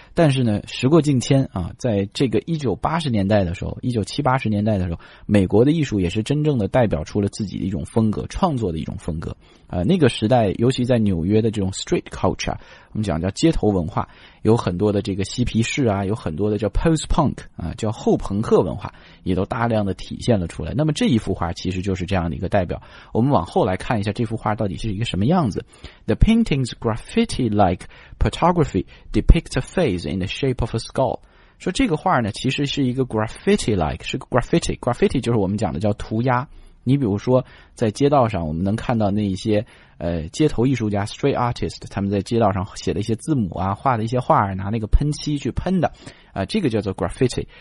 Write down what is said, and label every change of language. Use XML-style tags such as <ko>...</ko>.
<zh>但是呢时过境迁啊在这个1980年代的时候 ,1970-80 年代的时候美国的艺术也是真正的代表出了自己的一种风格创作的一种风格。那个时代尤其在纽约的这种 street culture, 我们讲叫街头文化，有很多的这个嬉皮士啊，有很多的叫 post-punk 啊，叫后朋克文化，也都大量的体现了出来。那么这一幅画其实就是这样的一个代表。我们往后来看一下这幅画到底是一个什么样子。</zh> <en>The painting's graffiti-like photography depicts a face in the shape of a skull。</en> <zh>说这个画呢其实是一个 graffiti-like， 是 graffiti， graffiti 就是我们讲的叫涂鸦。你比如说在街道上我们能看到那一些街头艺术家 street artist， 他们在街道上写的一些字母啊，画的一些画，拿那个喷漆去喷的这个叫做 graffiti。</zh>